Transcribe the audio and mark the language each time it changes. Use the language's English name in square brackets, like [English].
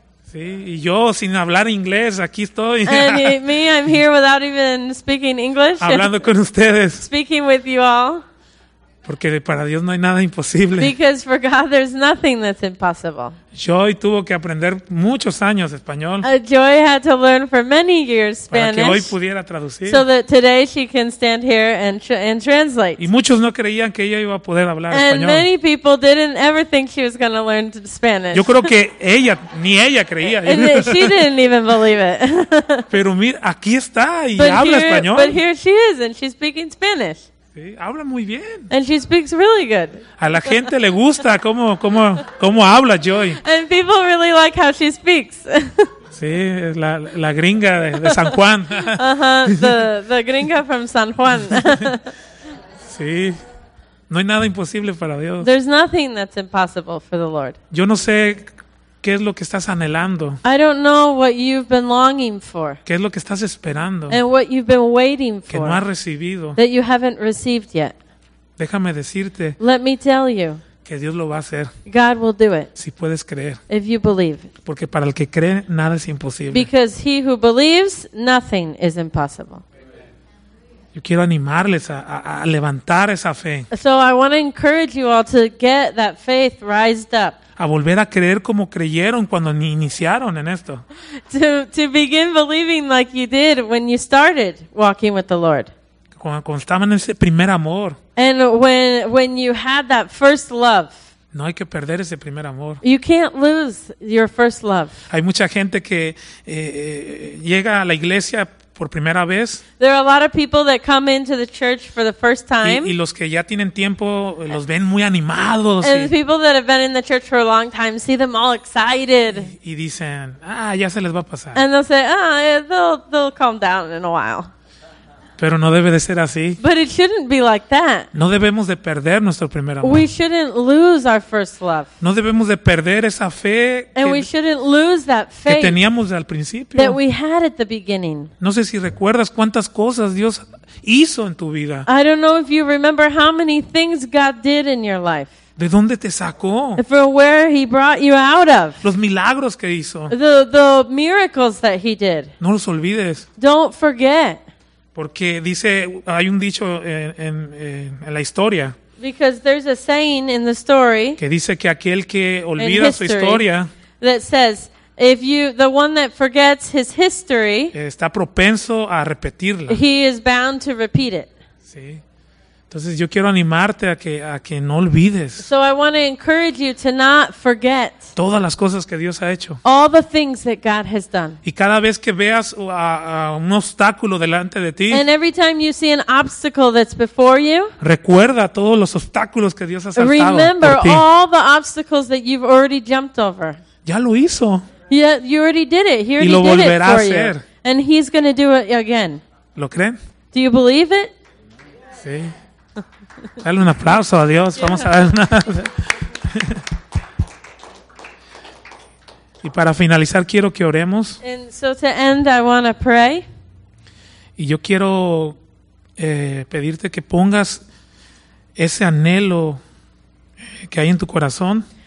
[Spanish] Sí, y yo sin hablar inglés, aquí estoy. [English] And me, I'm here without even speaking English. [Spanish] Hablando con ustedes. [English] Speaking with you all. [Spanish] Porque para Dios no hay nada imposible. [English] Because for God there's nothing that's impossible. [Spanish] Joy tuvo que aprender muchos años español. [English] Joy had to learn for many years Spanish. [Spanish] Para que hoy pudiera traducir. [English] So that today she can stand here and translate. [Spanish] Y muchos no creían que ella iba a poder hablar [English] and And many people didn't ever think she was going to learn Spanish. [Spanish] Yo creo que ella ni ella creía. [English] And she didn't even believe it. [Spanish] Pero mira, aquí está y [English] but [Spanish] habla [English] here, [Spanish] español. [English] But here she is and she's speaking Spanish. [Spanish] Sí, habla muy bien. [English] And she speaks really good. [Spanish] A la gente le gusta cómo habla Joy. [English] And people really like how she speaks. [Spanish] Sí, la gringa de San Juan. [English] The gringa from San Juan. [Spanish] Sí. No hay nada imposible para Dios. [English] There's nothing that's impossible for the Lord. [Spanish] Yo no sé qué es lo que estás anhelando. [English] I don't know what you've been longing for. [Spanish] ¿Qué es lo que estás esperando? [English] And what you've been waiting for. [Spanish] Que no has recibido. [English] That you haven't received yet. [Spanish] Déjame decirte. [English] Let me tell you. [Spanish] Que Dios lo va a hacer. [English] God will do it. [Spanish] Si puedes creer. [English] If you believe. [Spanish] Porque para el que cree, nada es imposible. [English] Because he who believes, nothing is impossible. [Spanish] Yo quiero animarles a levantar esa fe. [English] So I want to encourage you all to get that faith raised up. [Spanish] A volver a creer como creyeron cuando iniciaron en esto. [English] To begin believing like you did when you started walking with the Lord. [Spanish] Cuando estaban en ese primer amor. [English] And when you had that first love. [Spanish] No hay que perder ese primer amor. [English] You can't lose your first love. [Spanish] Hay mucha gente que llega a la iglesia por primera vez. [English] There are a lot of people that come into the church for the first time. [Spanish] Y los que ya tienen tiempo los ven muy animados. [English] And the people that have been in the church for a long time see them all excited. [Spanish] Y dicen, ah, ya se les va a pasar. [English] And they'll say, ah, they'll calm down in a while. [Spanish] Pero no debe de ser así. [English] But it shouldn't be like that. [Spanish] No debemos de perder nuestro primer amor. [English] We shouldn't lose our first love. [Spanish] No debemos de perder esa fe. [English] And we shouldn't lose that faith. [Spanish] Que teníamos al principio. [English] That we had at the beginning. [Spanish] No sé si recuerdas cuántas cosas Dios hizo en tu vida. [English] I don't know if you remember how many things God did in your life. [Spanish] ¿De dónde te sacó? [English] From where he brought you out of. [Spanish] Los milagros que hizo. [English] The miracles that he did. [Spanish] No los olvides. [English] Don't forget. [Spanish] Porque dice, hay un dicho en la historia. [English] Because there's a saying in the story. [Spanish] Que dice que aquel que olvida [English] history, [Spanish] su historia. [English] That says, if you, the one that forgets his history. [Spanish] Está propenso a repetirla. [English] He is bound to repeat it. [Spanish] Sí. Entonces yo quiero animarte a que no olvides. [English] So I want to encourage you to not forget. [Spanish] Todas las cosas que Dios ha hecho. [English] All the things that God has done. [Spanish] Y cada vez que veas a un obstáculo delante de ti. [English] And every time you see an obstacle that's before you. [Spanish] Recuerda todos los obstáculos que Dios ha saltado. [English] Remember all the obstacles that you've already jumped over. [Spanish] Ya lo hizo. [English] Yeah, you already did it. He already [Spanish] y lo [English] did [Spanish] volverá a hacer. [English] You. And he's going to do it again. [Spanish] ¿Lo creen? [English] Do you believe it? [Spanish] Sí. Dale un aplauso a Dios. Yeah. Vamos a dar una. Y para finalizar quiero que oremos. [English] And so to end, I want to pray. [Spanish] Y yo quiero pedirte que pongas ese anhelo que hay en tu corazón.